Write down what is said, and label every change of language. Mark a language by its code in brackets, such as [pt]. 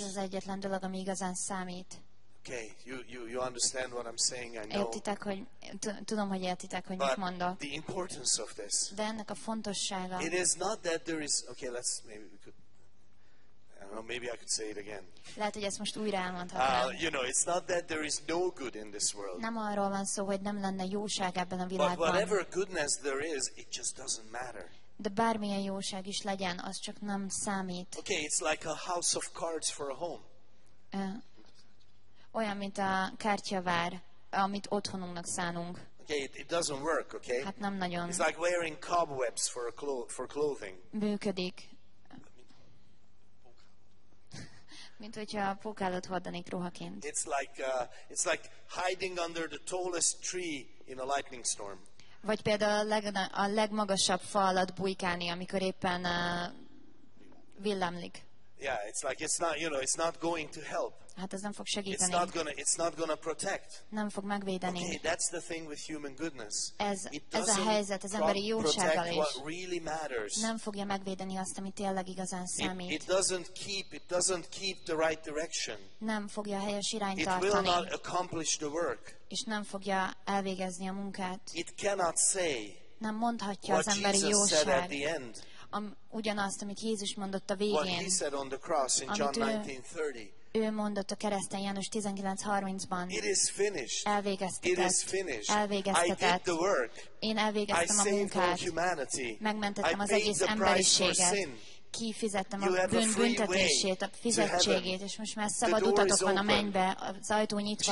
[hu] Ez az egyetlen dolog, ami igazán számít. [en] Okay, you understand what I'm saying? I know. [hu] Értitek, hogy tudom, hogy értitek, hogy mit mondok. [en] But the importance of this. [hu] De ennek a fontossága. [en] It is not that there is. Okay, let's maybe we could. Well, maybe I could say it again. [hu] Lehet, hogy ezt most újra elmondhatnám. [en] You know, it's not that there is no good in this world. [hu] Nem arról van szó, hogy nem lenne jóság ebben a világban. [en] But whatever goodness there is, it just doesn't matter. [hu] De bármilyen jóság is legyen, az csak nem számít. [en] Okay, it's like a house of cards for a home. [hu] Olyan, mint a kártyavár, amit otthonunknak szánunk. [en] Okay, it doesn't work, okay? [hu] Hát nem nagyon. [en] It's like wearing cobwebs for clothing. [hu] Működik. Mint hogyha a pókálat hordanék ruhaként. [en] It's like hiding under the tallest tree in a lightning storm. [hu] Vagy például a legmagasabb fa alatt bujkálni, amikor éppen villámlik. [en] Yeah, it's like it's not, you know, it's not going to help. [hu] Hát ez nem fog segíteni. [en] It's not gonna protect. [hu] Nem fog megvédeni. [en] Okay, that's the thing with human goodness. [hu] Ez a helyzet az emberi jósággal is. [en] What really matters. [hu] Nem fogja megvédeni azt, ami tényleg igazán számít. [en] It doesn't keep the right direction. [hu] Nem fogja a helyes irányt [en] it [hu] tartani. [en] It will not accomplish the work. [hu] És nem fogja elvégezni a munkát. [en] It cannot say. [hu] Nem mondhatja az emberi jóság. Ugyanazt, amit Jézus mondott a végén. [en] What he said on the cross in John 19:30. [hu] Ő mondott a kereszten János 19:30-ban. [en] It is finished. [hu] Elvégeztetett. [en] It is finished. [hu] Elvégeztetett. [en] I did the work. [hu] Én elvégeztem [en] I [hu] a munkát. [en] Humanity. [hu] Megmentettem az egész emberiséget. Kifizettem a bűn büntetését, a fizetségét, és most már szabad utatok van a mennybe, az ajtó nyitva